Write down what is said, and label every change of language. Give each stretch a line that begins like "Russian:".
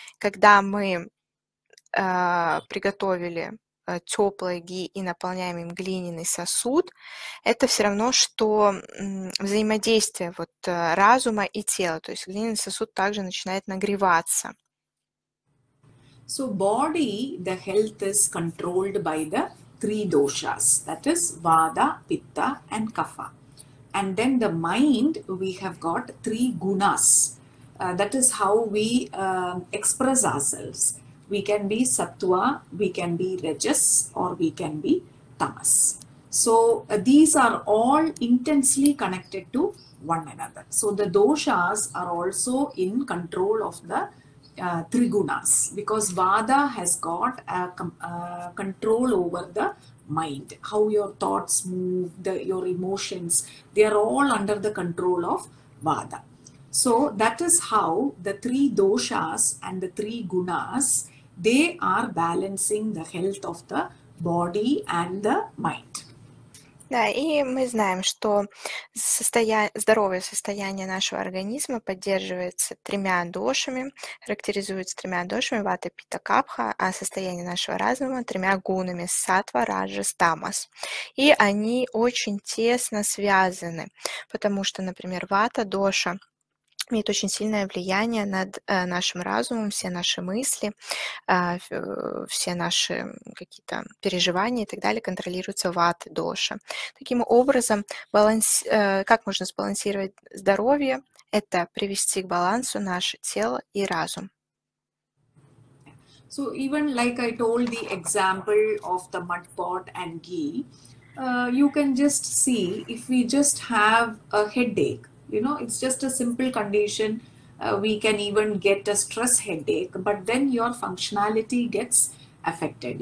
Russian: Когда мы приготовили теплое ги и наполняем им глиняный сосуд, это все равно, что взаимодействие вот, разума и тела, то есть глиняный сосуд также начинает нагреваться.
English: So body, the health is controlled by the three doshas, that is Vada, Pitta and Kapha. And then the mind, we have got three gunas. That is how we express ourselves. We can be Sattva, we can be Rajas or we can be Tamas. So these are all intensely connected to one another. So the doshas are also in control of the Trigunas, because Vada has got a control over the mind, how your thoughts move, your emotions, they are all under the control of Vada. So that is how the three doshas and the three gunas, they are balancing the health of the body and the mind.
Russian: Да, и мы знаем, что здоровое состояние нашего организма поддерживается тремя дошами, характеризуется тремя дошами вата, питта, капха, а состояние нашего разума тремя гунами – сатва, раджас, тамас. И они очень тесно связаны, потому что, например, вата, доша – имеет очень сильное влияние над нашим разумом, все наши мысли, все наши какие-то переживания и так далее контролируются ваты, доша. Таким образом, как можно сбалансировать здоровье? Это привести к балансу наше тело и разум.
English: So even like I told the example of the mud pot and ghee, you can just see if we just have a headache, you know, it's just a simple condition. We can even get a stress headache, but then your functionality gets affected.